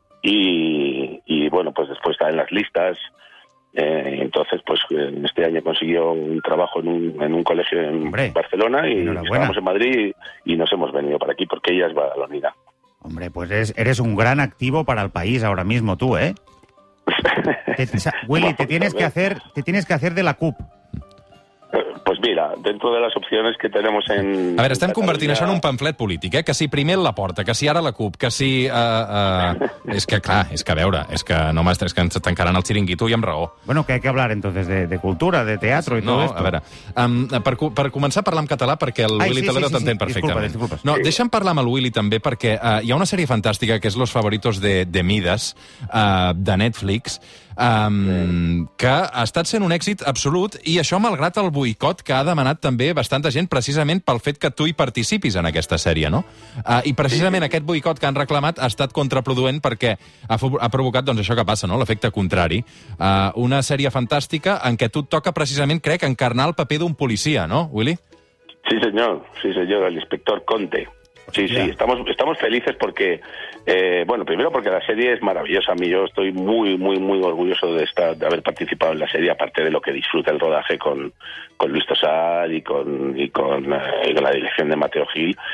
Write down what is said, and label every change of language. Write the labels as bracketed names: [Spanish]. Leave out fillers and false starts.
[Spanish] Y bueno, pues después está en las listas. Entonces, pues este año consiguió un trabajo en un colegio en Barcelona y estamos en Madrid y nos hemos venido para aquí porque ella es badalonina. Hombre, pues eres un gran activo para el país ahora mismo tú, ¿eh? Willy, te tienes que hacer de la CUP. Pues mira, dentro de las opciones que tenemos en... [Catalan] A veure, estem convertint això en un pamflet polític, que si primer la porta, que si ara la CUP, que si... és que, clar, és que a veure, és que no, mestre, és que ens tancaran el xiringuito i amb raó. [Spanish] Bueno, que hay que hablar, entonces, de cultura, de teatro y no, todo esto. [Catalan] No, a veure, per començar a parlar en català, perquè el Willy Toledo t'entén perfectament. Disculpa. No, sí. Deixa'm parlar amb el Willy també, perquè hi ha una sèrie fantàstica que és Los Favoritos de Midas, de Netflix... que ha estat sent un èxit absolut, i això malgrat el boicot que ha demanat també bastanta gent precisament pel fet que tu hi participis en aquesta sèrie, no? I precisament aquest boicot que han reclamat ha estat contraproduent perquè ha provocat, doncs, això que passa, no? L'efecte contrari. Una sèrie fantàstica en què tu toca precisament, crec, encarnar el paper d'un policia, no, Willy? Sí, senyor, l'inspector Conte. [Spanish] Sí, sí, estamos felices porque, bueno, primero porque la serie es maravillosa. A mí, yo estoy muy, muy, muy orgulloso de haber participado en la serie, aparte de lo que disfruta el rodaje con Luis Tosar y con la dirección de Mateo Gil.